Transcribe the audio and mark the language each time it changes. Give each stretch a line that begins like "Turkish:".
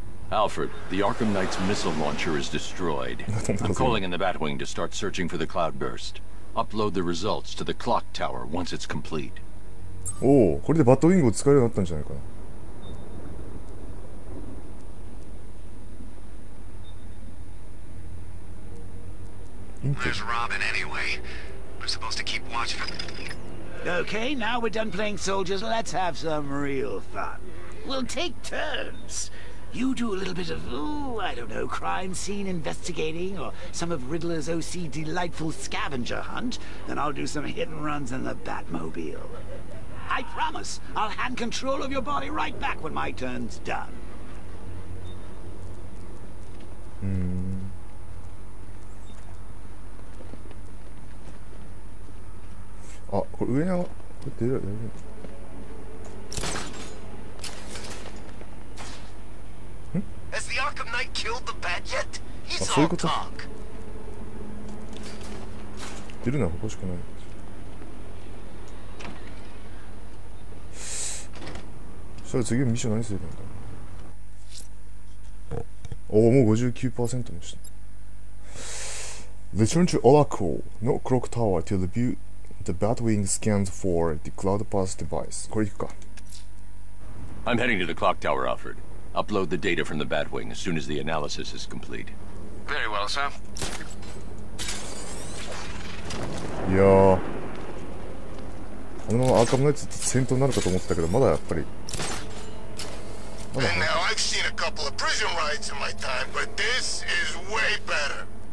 English: Alfred, the Arkham Knight's missile launcher is destroyed. I'm calling in the Batwing to start searching for the cloudburst. Upload the results to the clock tower once it's complete.
Japanese: Oh, これでバットウィングを使えるようになったんじゃないかな。
English: Where's Robin anyway? We're supposed to keep watch for. Okay, now we're done playing soldiers. Let's have some real fun. We'll take turns. You do a little bit of, ooh, I don't know, crime scene investigating or some of Riddler's OC delightful scavenger hunt. Then I'll do some hit and runs in the Batmobile. I promise, I'll hand control of your body right back when my turn's done.
Japanese: あ、これ上に上がる、これ出る、出る、出る。ん？
English: Has the Arkham Knight killed the bat yet?
Japanese: あ、そういうこと。出るのはおかしくない。さあ次ミッション何するんだ。おお、もう 59% もした。
English: Return to Oracle, no clock tower till the view. The Batwing scans for the CloudPass device.
Japanese: これ行くか。
English: I'm heading to the clock tower, Alfred. Upload the data from the Batwing as soon as the analysis is complete. Very well, sir.
Japanese: いや。あのアーカムナイツって戦闘になるかと思ってたけど、まだやっぱり。
English: Now I've seen a couple of prison riots in my time, but this is way better.